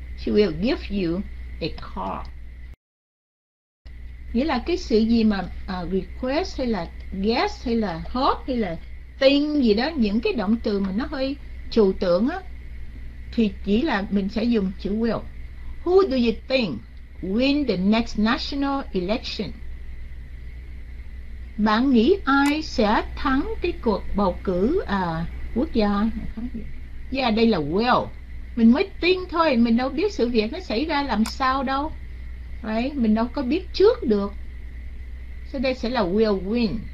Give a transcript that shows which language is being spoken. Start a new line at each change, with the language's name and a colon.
English: She will give you a call.
Vietnamese: Nghĩa là cái sự gì mà request hay là guess hay là hope hay là think gì đó, những cái động từ mà nó hơi trừu tượng á, thì chỉ là mình sẽ dùng chữ will.
English: Who do you think win the next national election?
Vietnamese: Bạn nghĩ ai sẽ thắng cái cuộc bầu cử quốc gia? Yeah, đây là will. Mình mới think thôi, mình đâu biết sự việc nó xảy ra làm sao đâu. Đấy, mình đâu có biết trước được. Sau đây sẽ là will win.